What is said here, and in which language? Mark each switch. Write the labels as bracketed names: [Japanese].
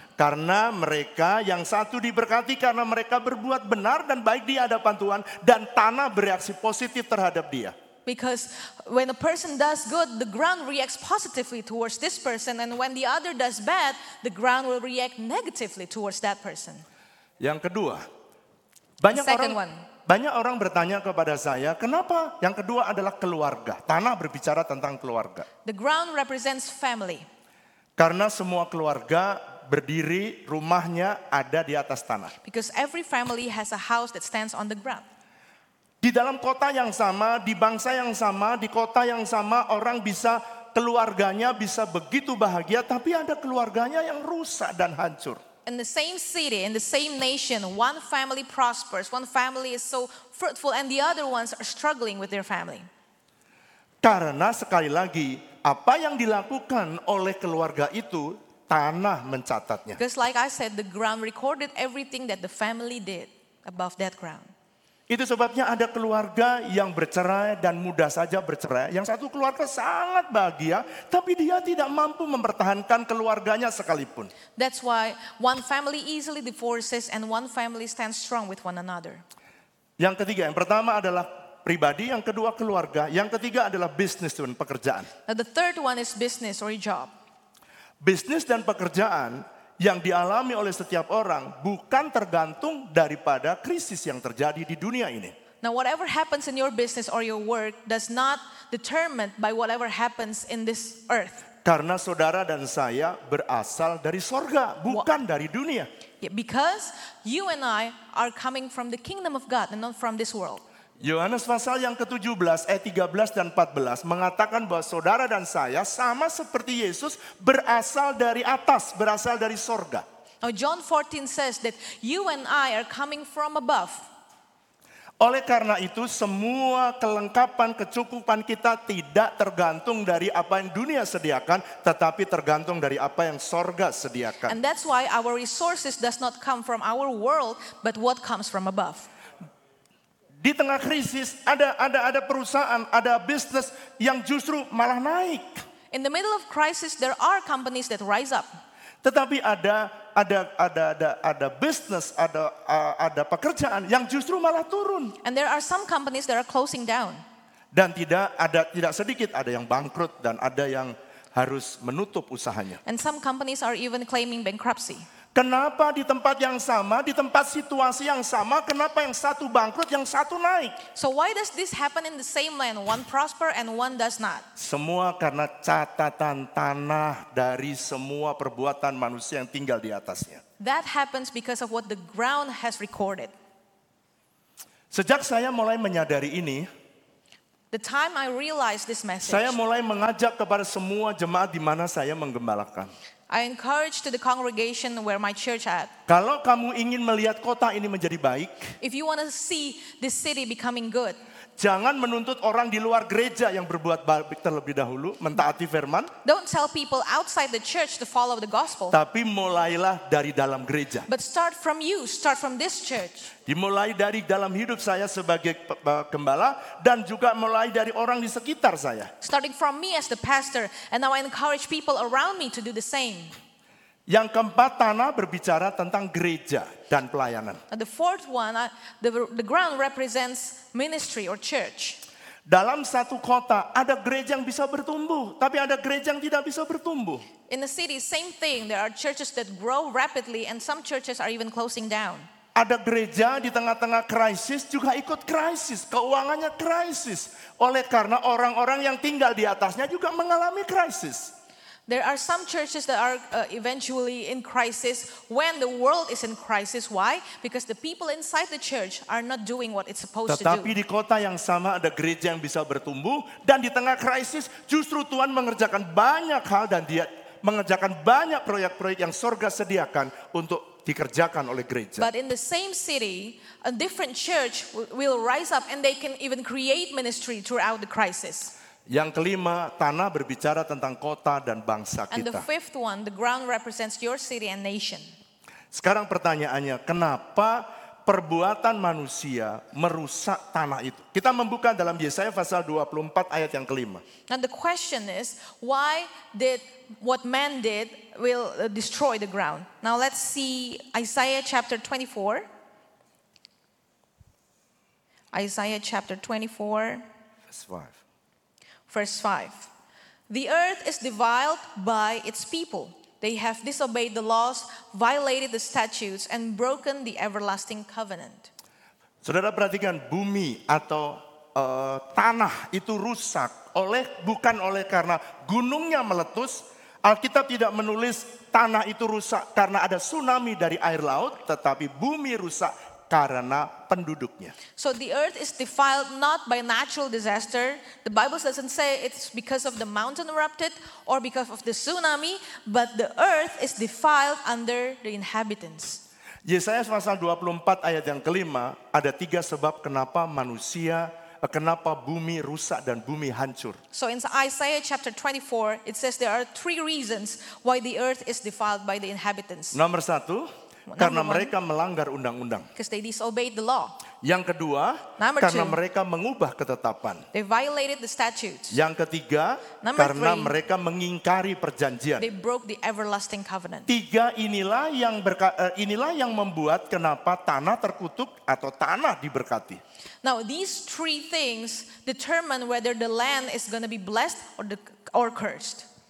[Indonesian] Karena mereka, yang satu diberkati karena mereka berbuat benar dan baik di hadapan Tuhan, dan tanah bereaksi positif terhadap dia. [English] Because when a person does good, the ground reacts positively towards this person, and when the other does bad, the ground will react negatively towards that person. [Indonesian] Yang kedua, banyak orang bertanya kepada saya, kenapa yang kedua adalah keluarga? Tanah berbicara tentang keluarga. [English] The ground represents family. [Indonesian] Karena semua keluarga berdiri, rumahnya ada di atas tanah. [English] Because every family has a house that stands on the ground. [Indonesian] Di dalam kota yang sama, di bangsa yang sama, di kota yang sama, orang bisa, keluarganya bisa begitu bahagia, tapi ada keluarganya yang rusak dan hancur. [English] In the same city, in the same nation, one family prospers, one family is so fruitful, and the other ones are struggling with their family. [Indonesian] Karena sekali lagi, apa yang dilakukan oleh keluarga itu, tanah mencatatnya. [English] Because like I said, the ground recorded everything that the family did above that ground. [Indonesian] Itu sebabnya ada keluarga yang bercerai dan mudah saja bercerai. Yang satu keluarga sangat bahagia, tapi dia tidak mampu mempertahankan keluarganya sekalipun. [English] That's why one family easily divorces and one family stands strong with one another. [Indonesian] Yang ketiga, yang pertama adalah pribadi, yang kedua keluarga, yang ketiga adalah business dan pekerjaan. [English] Now the third one is business or a job. [Indonesian] Business dan pekerjaan yang dialami oleh setiap orang bukan tergantung daripada krisis yang terjadi di dunia ini. [English] Now whatever happens in your business or your work does not determine by whatever happens in this earth. [Indonesian] Karena saudara dan saya berasal dari sorga, bukan dari dunia. [English] Yeah, because you and I are coming from the kingdom of God and not from this world. [Indonesian] Yohanes pasal yang ke-17 ayat 13 dan 14 mengatakan bahwa saudara dan saya sama seperti Yesus berasal dari atas, berasal dari sorga. [English] Now John 14 says that you and I are coming from above. [Indonesian] Oleh karena itu semua kelengkapan, kecukupan kita tidak tergantung dari apa yang dunia sediakan, tetapi tergantung dari apa yang sorga sediakan. [English] And that's why our resources does not come from our world, but what comes from above. [Indonesian] Di tengah krisis ada perusahaan, ada bisnis yang justru malah naik. [English] In the middle of crisis there are companies that rise up. [Indonesian] Tetapi ada bisnis, ada pekerjaan yang justru malah turun. [English] And there are some companies that are closing down. [Indonesian] Dan tidak sedikit ada yang bangkrut dan ada yang harus menutup usahanya. [English] And some companies are even claiming bankruptcy. [Indonesian] Kenapa di tempat yang sama, di tempat situasi yang sama, kenapa yang satu bangkrut, yang satu naik? [English] So why does this happen in the same land? One prosper and one does not. [Indonesian] Semua karena catatan tanah dari semua perbuatan manusia yang tinggal di atasnya. [English] That happens because of what the ground has recorded. [Indonesian] Sejak saya mulai menyadari ini, [English] the time I realized this message, [Indonesian] saya mulai mengajak kepada semua jemaat di mana saya menggembalakan. [English] I encourage to the congregation where my church at. [Indonesian] Kalau kamu ingin melihat kota ini menjadi baik, [English] if you want to see this city becoming good, [Indonesian] jangan menuntut orang di luar gereja yang berbuat baik terlebih dahulu, mentaati firman. [English] Don't tell people outside the church to follow the gospel. [Indonesian] Tapi mulailah dari dalam gereja. [English] But start from you, start from this church. [Indonesian] Dimulai dari dalam hidup saya sebagai gembala dan juga mulai dari orang di sekitar saya. [English] Starting from me as the pastor, and now I encourage people around me to do the same. [Indonesian] Yang keempat, tanah berbicara tentang gereja dan pelayanan. [English] The fourth one, the ground represents ministry or church. [Indonesian] Dalam satu kota ada gereja yang bisa bertumbuh, tapi ada gereja yang tidak bisa bertumbuh. [English] In the city, same thing. There are churches that grow rapidly, and some churches are even closing down. [Indonesian] Ada gereja di tengah-tengah krisis juga ikut krisis, keuangannya krisis. Oleh karena orang-orang yang tinggal di atasnya juga mengalami krisis. [English] There are some churches that are eventually in crisis when the world is in crisis. Why? Because the people inside the church are not doing what it's supposed [Indonesian] Tetapi [English] to do. [Indonesian] Tetapi di kota yang sama ada gereja yang bisa bertumbuh dan di tengah krisis justru Tuhan mengerjakan banyak hal dan dia mengerjakan banyak proyek-proyek yang surga sediakan untuk dikerjakan oleh gereja. [English] But in the same city, a different church will rise up and they can even create ministry throughout the crisis. [Indonesian] Yang kelima, tanah berbicara tentang kota dan bangsa kita. [English] And the fifth one, the ground represents your city and nation. [Indonesian] Sekarang pertanyaannya, kenapa perbuatan manusia merusak tanah itu? Kita membuka dalam Yesaya pasal 24 ayat yang kelima. [English] And the question is, why did what man did will destroy the ground? Now let's see Isaiah chapter 24. Isaiah chapter 24. Verse 5. The earth is defiled by its people. They have disobeyed the laws, violated the statutes, and broken the everlasting covenant. [Indonesian] Saudara perhatikan, bumi atau tanah itu rusak oleh bukan oleh karena gunungnya meletus. Alkitab tidak menulis tanah itu rusak karena ada tsunami dari air laut, tetapi bumi rusak karena penduduknya. [English] So the earth is defiled not by natural disaster. The Bible doesn't say it's because of the mountain erupted or because of the tsunami, but the earth is defiled under the inhabitants. [Indonesian] Yesaya pasal 24 ayat yang kelima, ada tiga sebab kenapa manusia, kenapa bumi rusak dan bumi hancur. [English] So in Isaiah chapter 24, it says there are three reasons why the earth is defiled by the inhabitants. [Indonesian] Nomor satu, karena mereka melanggar undang-undang. [English] Because they disobeyed the law. [Indonesian] Yang kedua, [English] number [Indonesian] karena mereka mengubah ketetapan. [English] They violated the statutes. [Indonesian] Yang ketiga, [English] number [Indonesian] karena [English] three, [Indonesian] mereka mengingkari perjanjian. [English] They broke the everlasting covenant. [Indonesian] Tiga inilah yang inilah yang membuat kenapa tanah terkutuk atau tanah diberkati. [English] Now these three things determine whether the land is going to be blessed or cursed.